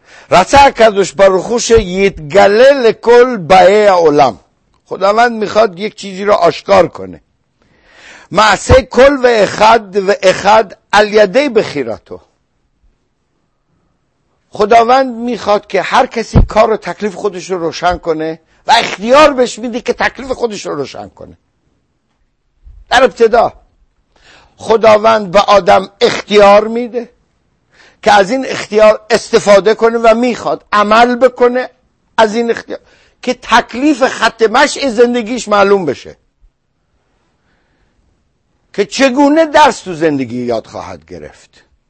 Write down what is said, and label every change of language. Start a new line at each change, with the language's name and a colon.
Hebrew: رצה הקדוש ברוך הוא שיתגלה לכל באי העולם.
Persian: خداوند میخواد یک چیزی رو آشکار کنه.
Hebrew: מעשה כל ואחד ואחד על ידי בחירתו.
Persian: خداوند میخواد که هر کسی کار و تکلیف خودش رو روشن کنه و اختیار بهش میده که تکلیف خودش رو روشن کنه. در ابتدا خداوند به آدم اختیار میده که از این اختیار استفاده کنه و میخواد عمل بکنه از این اختیار، که تکلیف ختمش این زندگیش معلوم بشه که چگونه درس تو زندگی یاد خواهد گرفت.